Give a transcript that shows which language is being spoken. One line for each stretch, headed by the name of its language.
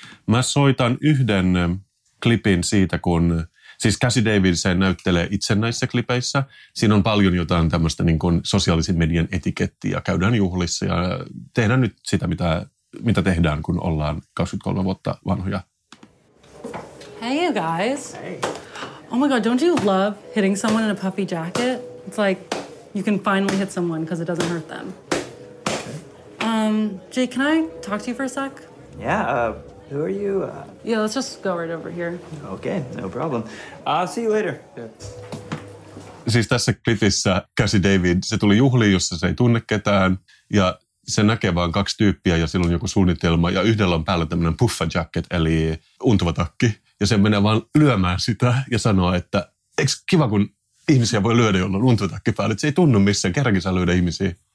Finnish: Mä soitan yhden klipin siitä, kun siis Cassie David se näyttelee itse näissä klipeissä. Siinä on paljon jotain tämmöistä niin kuin sosiaalisen median etikettiä. Käydään juhlissa ja tehdään nyt sitä, mitä tehdään, kun ollaan 23 vuotta vanhoja.
English: Hey you guys. Hey. Oh my god, don't you love hitting someone in a puffy jacket? It's like you can finally hit someone because it doesn't hurt them. Jay, can I talk to you for a sec? Yeah, who are you? Yeah, let's just go right over here. Okay, no problem. I'll see you later. Yeah.
Finnish: Siis tässä klipissä Cassie David, se tuli juhliin, jossa se ei tunne ketään, ja se näkee vaan 2 tyyppiä, ja sillä on joku suunnitelma, ja yhdellä on päällä tämmöinen puffa jacket, eli untuva takki, ja se menee vaan lyömään sitä, ja sanoo, että eikö kiva, kun ihmisiä voi lyödä, jolla on untuva takki päällä, että se ei tunnu missään, kerrankin saa lyödä ihmisiä.